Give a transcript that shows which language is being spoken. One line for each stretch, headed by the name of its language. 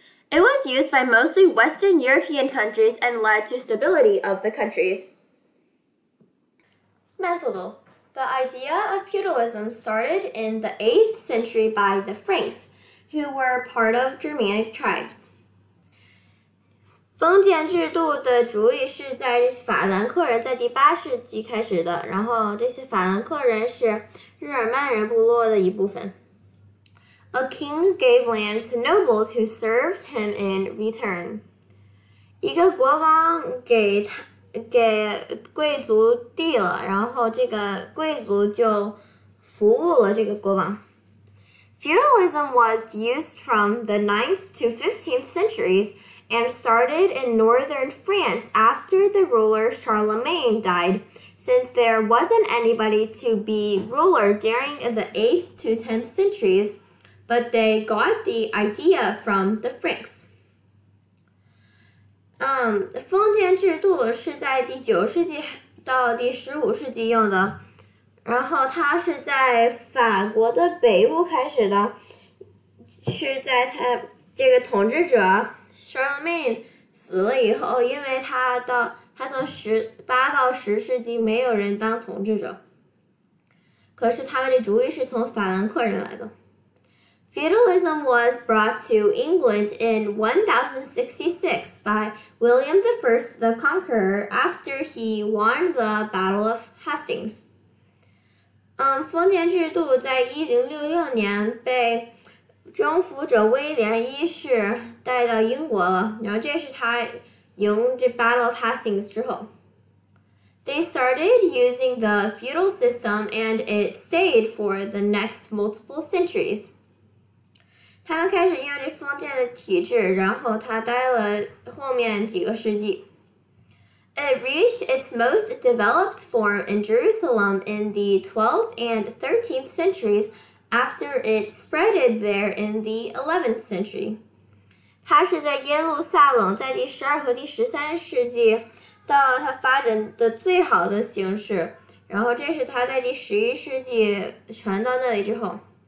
English: It was used by mostly Western European countries and led to stability of the countries.
Chinese: 慢速读。
English: The idea of feudalism started in the 8th century by the Franks, who were part of Germanic tribes.
Chinese: 封建制度的主意是在法兰克人在第八世纪开始的，然后这些法兰克人是日耳曼人部落的一部分。
English: A king gave land to nobles who served him in return.
Chinese: 一个国王给贵族地了，然后这个贵族就服务了这个国王。
English: Feudalism was used from the 9th to 15th centuries and started in northern France after the ruler Charlemagne died, since there wasn't anybody to be ruler during the 8th to 10th centuries, but they got the idea from the Franks.
Chinese: 封建制度是在第九世纪到第十五世纪用的，然后它是在法国的北部开始的，是在他这个统治者 Charlemagne 死了以后，因为他从8到10世纪没有人当统治者，可是他们的主意是从法兰克人来的。
English: Feudalism was brought to England in 1066 by William I the Conqueror after he won the Battle of Hastings.
Chinese: 封建制度在1066年被征服者威廉一世带到英国了，然后这是他赢这 Battle of Hastings 之后。
English: They started using the feudal system and it stayed for the next multiple centuries.
Chinese: 他们开始用这封建的体制，然后他待了后面几个世纪。
English: It reached its most developed form in Jerusalem in the 12th and 13th centuries after it spread it there in the 11th century.
Chinese: 他是在耶路撒冷在第十二和第十三世纪到了他发展的最好的形式，然后这是他在第十一世纪传到那里之后。